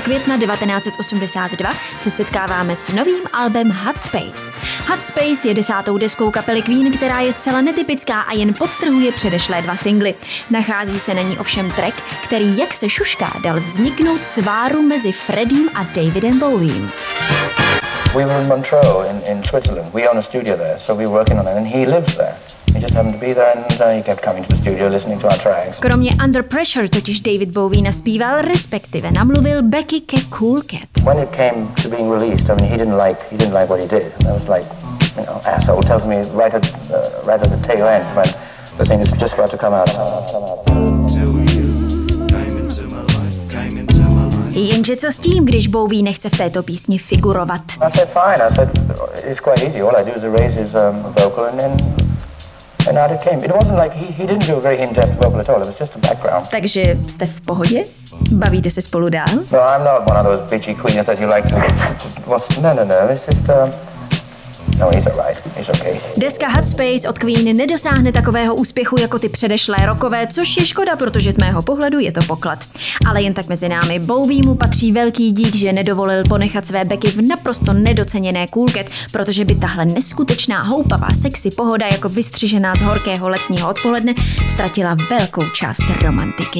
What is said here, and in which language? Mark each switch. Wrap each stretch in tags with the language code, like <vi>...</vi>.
<cs>května 1982 se setkáváme s novým albem Hot Space. Hot Space je 10. deskou kapely Queen, která je zcela netypická a jen podtrhuje předešlé dva singly. Nachází se na ní ovšem track, který, jak se šušká, dal vzniknout sváru mezi Freddiem a Davidem Bowiem.</cs> <en>We were in Montreux in Switzerland. We own a studio there, so we were working on it, and he lives there. He just happened to be there, and he kept coming to the studio listening to our tracks.</en> <cs>Kromě Under Pressure totiž David Bowie naspíval, respektive namluvil Becky ke Cool Cat.</cs> <en>When it came to being released, I mean, he didn't like what he did. I was like, you know, asshole tells me right at the tail end when the thing is just about to come out.</en> <cs>Jenže co s tím, když Bowie nechce v této písni figurovat?</cs> <en>I said, fine. I said, it's quite easy. All I do is erase his vocal and then And out it came. It wasn't like he didn't do a very in-depth vocal at all. It was just a background.</en> <cs>Takže jste v pohodě? Bavíte se spolu dál?</cs> <en>No, I'm not one of those bitchy queens that you like to. No. This is the. No, he's all right. He's okay.</en> <cs>Deska Hot Space od Queen nedosáhne takového úspěchu jako ty předešlé rokové, což je škoda, protože z mého pohledu je to poklad. Ale jen tak mezi námi, Bowie mu patří velký dík, že nedovolil ponechat své backy v naprosto nedoceněné Cool Cat, protože by tahle neskutečná houpavá sexy pohoda jako vystřižená z horkého letního odpoledne ztratila velkou část romantiky.</cs>